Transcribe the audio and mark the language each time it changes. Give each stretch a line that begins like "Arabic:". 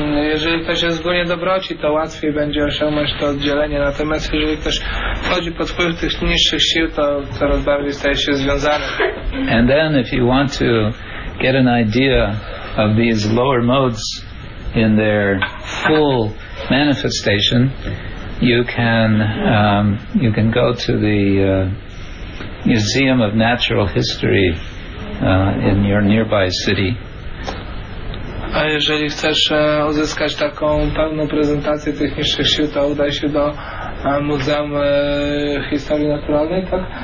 Polish: Jeżeli ktoś jest w górze dobroci, to łatwiej będzie osiągnąć to oddzielenie. Natomiast jeżeli ktoś wchodzi pod wpływ tych niższych sił, to coraz bardziej staje się związany.
English: And then if you want to get an idea of these lower modes in their full manifestation, you can go to the Museum of Natural History in your nearby city.
Polish: A jeżeli chcesz uzyskać taką pełną prezentację tych niższych sił, to udaj się do Muzeum Historii Naturalnej, tak?